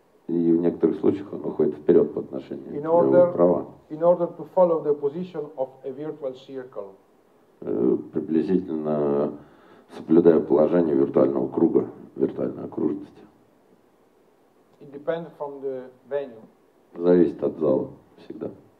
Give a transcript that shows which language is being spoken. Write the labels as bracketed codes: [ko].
[ru] И в некоторых случаях он уходит вперед по отношению [en] in order, [ru] к левому праву. [en] In order to follow the position of a virtual circle. [ru] Приблизительно соблюдая положение виртуального круга, виртуальной окружности. [en] It depends from the venue. [ru] Зависит от зала всегда.